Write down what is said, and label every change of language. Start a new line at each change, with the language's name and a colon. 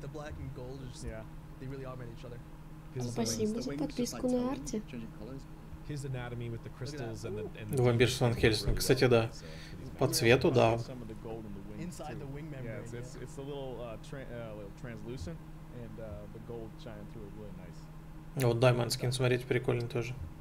English: The black and gold are just they really augment each other.
Russian: Спасибо за подписку на арте.
English: His anatomy with the crystals and the.
Russian: Вампир Сван Хельсинг, кстати, да. По цвету, да.
English: Inside the wing membrane. Yeah, it's a little translucent, and the gold shining through it really nice.
Russian: Вот Diamond Skin, смотрите, прикольный тоже.